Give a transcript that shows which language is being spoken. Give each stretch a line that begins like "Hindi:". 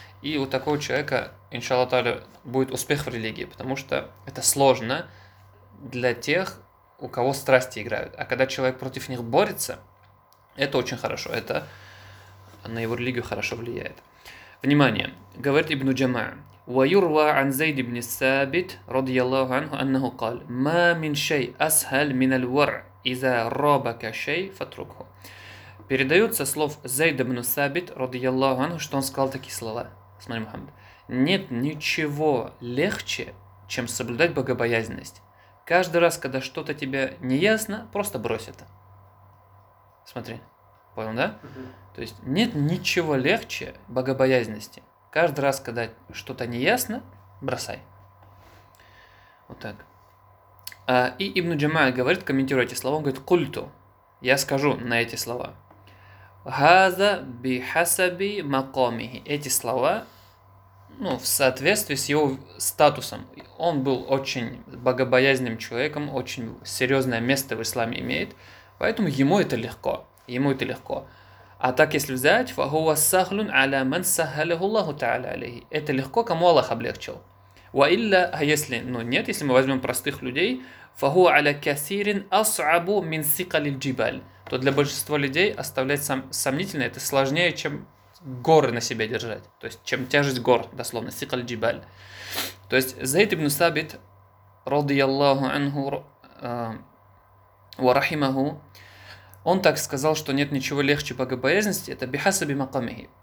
Russian: И у такого человека, иншаллах, будет успех в религии, потому что это сложно для тех, у кого страсти играют. А когда человек против них борется, это очень хорошо, это на его религию хорошо влияет. Внимание, говорит Ибн Джамаа.
Arabic: ويروى عن زيد بن ثابت رضي الله عنه أنه قال ما من شيء أسهل من الورع إذا رابك شيء فاتركه.
Russian: Передаются слов Зайда ибн Сабит
Arabic: رضي الله عنه,
Russian: что он сказал такие слова. Смотри, Мухаммад. Нет ничего легче, чем соблюдать богобоязненность. Каждый раз, когда что-то тебе не ясно, просто брось это. Смотри. Понял, да? То есть нет ничего легче богобоязненности. Каждый раз, когда что-то неясно, бросай. Вот так. И Ибн Джамаа говорит, комментируя эти слова, он говорит, культу, я скажу на эти слова.
Arabic: Хаза би хасаби макомихи.
Russian: Эти слова, ну, в соответствии с его статусом. Он был очень богобоязненным человеком, очень серьезное место в исламе имеет, поэтому ему это легко. Ему это легко. А так, если взять,
Arabic: فَهُوَ سَهْلٌ عَلَى مَنْ سَهَلَهُ اللَّهُ تَعَلَى عَلَيْهِ.
Russian: Это легко, кому Аллах облегчил. وَإِلَّا, а если, ну нет, если мы возьмем простых людей,
Arabic: فَهُوَ عَلَى كَثِيرٍ أَصْعَبُ مِنْ سِقَلِ الْجِبَالِ,
Russian: то для большинства людей оставлять сомнительно, это сложнее, чем горы на себе держать. То есть, чем тяжесть гор, дословно,
Arabic: سِقَلِ الْجِبَالِ.
Russian: То есть, Зайд ибн Сабит,
Arabic: رَضِيَ اللَّهُ عَنْهُ وَرَحِمَهُ,
Russian: он так сказал, что нет ничего легче богобоязненности, это
Arabic: бихасаби макамихи.